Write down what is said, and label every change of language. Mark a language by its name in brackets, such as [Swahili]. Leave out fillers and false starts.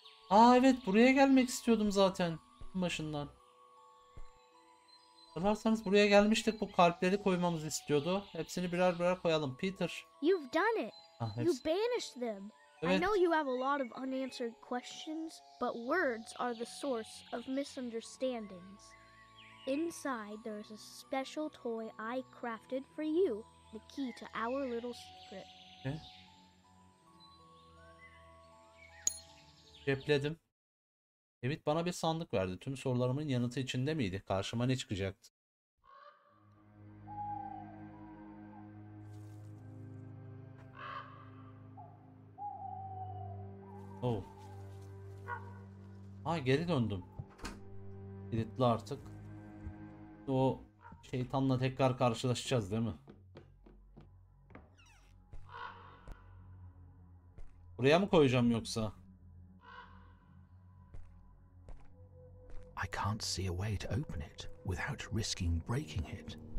[Turkish] Aa, evet, buraya gelmek istiyordum zaten başından. Hatırlarsanız buraya gelmiştik, bu kalpleri koymamızı istiyordu. Hepsini birer birer koyalım. [English] Peter. You've done it. You banished them. [Turkish] Evet. [English] I know you have a lot of unanswered questions, but words are the source of misunderstandings. Inside there is a special toy I crafted for you, the key to our little secret. [Turkish] Ne? Cepledim. Evet, bana bir sandık verdi. Tüm sorularımın yanıtı içinde miydi? Karşıma ne çıkacaktı? Oh. Ha, geri döndüm. Kilitli artık. O şeytanla tekrar karşılaşacağız değil mi? Buraya mı koyacağım yoksa? [English] I can't see a way to open it without risking breaking it.